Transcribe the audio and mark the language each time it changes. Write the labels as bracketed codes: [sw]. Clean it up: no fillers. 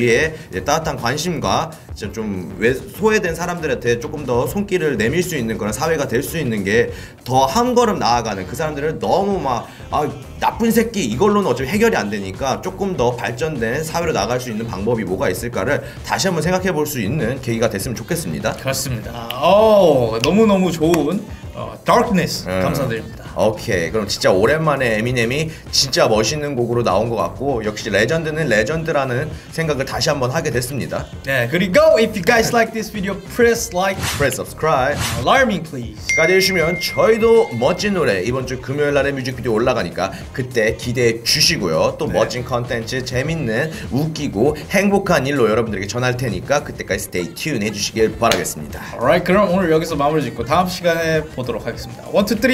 [ko] 주위에 이제 따뜻한 관심과 진짜 좀 소외된 사람들한테 조금 더 손길을 내밀 수 있는 그런 사회가 될 수 있는 게 더 한 걸음 나아가는 그 사람들을 너무 막 아 나쁜 새끼 이걸로는 어차피 해결이 안 되니까 조금 더 발전된 사회로 나아갈 수 있는 방법이 뭐가 있을까를 다시 한번 생각해 볼 수 있는 계기가 됐으면 좋겠습니다. 그렇습니다. 너무너무 좋은 Darkness 감사드립니다. 오케이 그럼 진짜 오랜만에 에미넴이 진짜 멋있는 곡으로 나온 것 같고 역시 레전드는 레전드라는 생각을 다시 한번 하게 됐습니다. 네 그리고 [en] If you guys like this video press like press subscribe alarming please [ko] 까지 해주시면 저희도 멋진 노래 이번 주 금요일날에 뮤직비디오 올라가니까 그때 기대해 주시고요. 또 네. 멋진 컨텐츠 재밌는 웃기고 행복한 일로 여러분들에게 전할 테니까 그때까지 [en] stay tuned [ko] 해주시길 바라겠습니다. Alright 그럼 오늘 여기서 마무리 짓고 다음 시간에 보도록 하겠습니다. 1, 2, 3